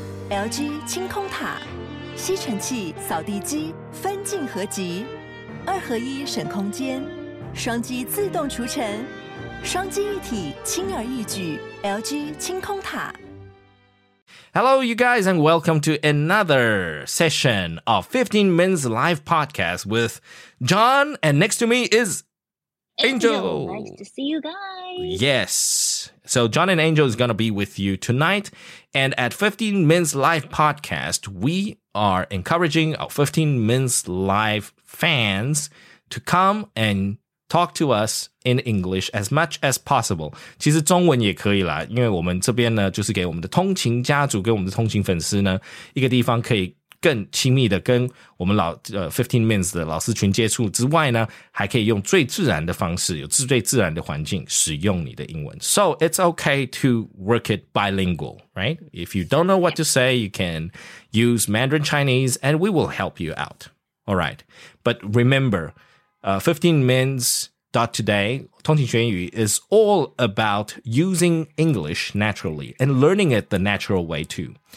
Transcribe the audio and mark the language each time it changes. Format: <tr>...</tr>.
<zh>LG 清空塔，吸尘器、扫地机分镜合集，二合一省空间，双击自动除尘，双击一体轻而易举。 LG 清空塔。</zh> <en>Hello, you guys, and welcome to another session of 15 Minutes Live Podcast with John. And next to me is Angel. Nice to see you guys. Yes. So John and Angel is going to be with you tonight. And at 15 Minutes Live Podcast, we are encouraging our 15 Minutes Live fans to come and talk to us in English as much as possible.</en> <zh>其实中文也可以啦，因为我们这边呢，就是给我们的通勤家族跟我们的通勤粉丝呢，一个地方可以更亲密的跟我们老15 Minutes 的老师群接触之外呢，还可以用最自然的方式，有最自然的环境使用你的英文。</zh> <en>So it's okay to work it bilingual, right? If you don't know what to say, you can use Mandarin Chinese and we will help you out. All right. But remember, 15mins.today,</en> <zh>通勤学英语</zh> <en>is all about using English naturally and learning it the natural way too.</en>